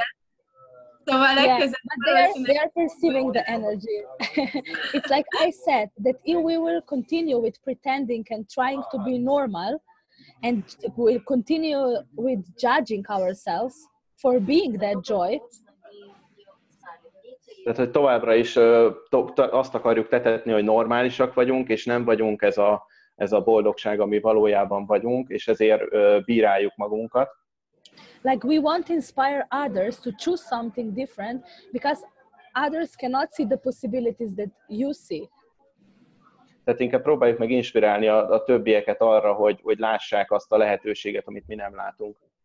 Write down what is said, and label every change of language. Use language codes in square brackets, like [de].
[en] Yeah. They are perceiving the energy. It's like I said, that if we will continue with pretending and trying to be normal, and we'll continue with judging ourselves for being that joy. [hu] Tehát, hogy továbbra is azt akarjuk tetetni, hogy normálisak vagyunk, és nem vagyunk ez a boldogság, ami valójában vagyunk, és ezért bíráljuk magunkat. [en] Like we want to inspire others to choose something different because others cannot see the possibilities that you see. [hu] Tehát inkább próbáljuk meg inspirálni a többieket arra, hogy lássák azt a lehetőséget, amit mi nem látunk.